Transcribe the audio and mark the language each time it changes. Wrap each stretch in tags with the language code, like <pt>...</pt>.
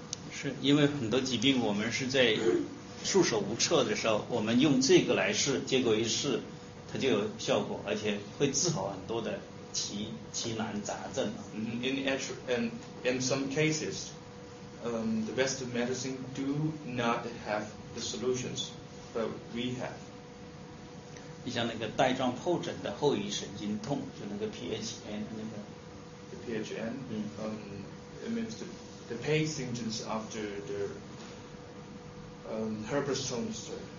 <zh>是因为很多疾病我们是在束手无策的时候，我们用这个来试，结果一试它就有效果，而且会治好很多的奇难杂症。</zh> <en>In some cases, the best of medicine do not have the solutions, but we have.</en> <zh>你像那个带状疱疹的后遗神经痛，就那个 PHN 那个。</zh> <en>The PHN. It means the pain symptoms after the herpes zoster.</en>